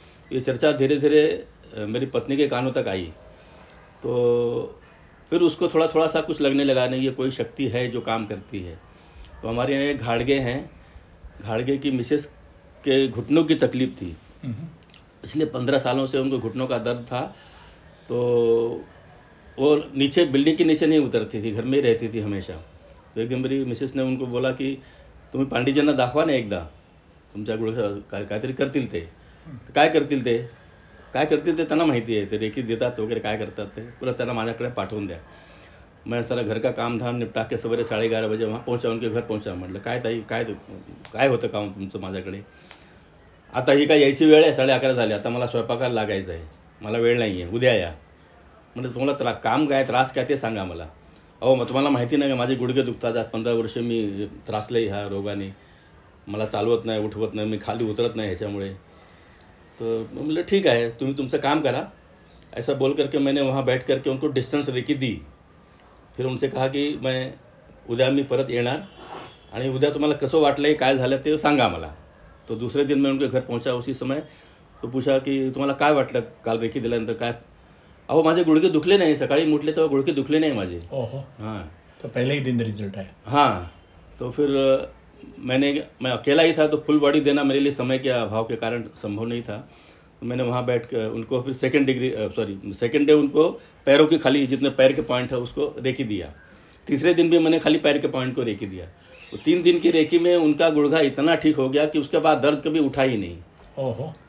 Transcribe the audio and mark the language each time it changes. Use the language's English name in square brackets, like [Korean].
[Hindi] तो ये चर्चा धीरे धीरे मेरी पत्नी के कानों तक आई, तो फिर उसको थोड़ा थोड़ा सा कुछ लगने लगा, नहीं ये कोई शक्ति है जो काम करती है। तो हमारे यहाँ एक घाड़गे हैं, घाड़गे की मिसेस के घुटनों की तकलीफ थी, पिछले 15 सालों से उनको घुटनों का दर्द था। तो वो नीचे बिल्डिंग के नीचे नहीं उतरती थी, घर में ही रहती थी हमेशा। तो एक दिन मेरी मिसेस ने उनको बोला कि [Marathi] तुम्हें पांडेजींना दाखवा ना एकदा, तुमच्या गुड़ काय तरी करतील ते, काय करतील ते, काय करतील ते त्यांना माहिती आहे, ते रेखी देतात वगैरे काय करतात ते, पुरा त्यांना माझ्याकडे पाठवून द्या। [Hindi] मैं सारा घर का काम धाम निपटा के सवेरे 11:30 बजे वहाँ पहुँचा, उनके घर पहुँचा। [Marathi] म्हटलं काय ताई काय काय होतं काम तुमचं माझ्याकडे, आता ही काय यायची वेळ आहे, 11:30 झाली, आता मला स्वयंपाकाला लागायचं आहे, मला वेळ नाही आहे, उद्या या। म्हणजे तुम्हाला काम काय त्रास काय ते सांगा मला। अहो मग तुम्हाला माहिती नाही का माझे गुडघे दुखतात, 15 वर्ष मी त्रासले ह्या रोगाने, मला चालवत नाही, उठवत नाही, मी खाली उतरत नाही ह्याच्यामुळे। तो म्हटलं ठीक आहे तुम्ही तुमचं काम करा, [Hindi] ऐसा बोल करके मैंने वहाँ बैठ करके उनको डिस्टन्स रेखी दी। फिर उनसे कहा कि मैं [Marathi] उद्या मी परत येणार आणि उद्या तुम्हाला कसं वाटलं काय झालं ते सांगा मला। [Hindi] तो दुसरे दिन मैं उनके घर पहुँचा, उसी समय तो पूछा कि [Marathi] तुम्हाला काय वाटलं काल रेखी दिल्यानंतर काय? अहो माझे गुडघे दुखले नाही, सकाळी उठले तेव्हा गुडघे दुखले नाही माझे। [Hindi] तो पहले ही दिन रिझल्ट आहे। हाँ। तो फिर मैं अकेला ही था, तो फुल बॉडी देना मेरे लिए समय के अभाव के कारण संभव नहीं था। मैंने वहाँ बैठ कर उनको फिर सेकेंड डे उनको पैरों के खाली जितने पैर के पॉइंट है उसको रेखी दिया। तीसरे दिन भी मैंने खाली पैर के पॉइंट को रेखी दिया। तो 3 दिन की रेखी में उनका गुड़घा इतना ठीक हो गया कि उसके बाद दर्द कभी उठा ही नहीं।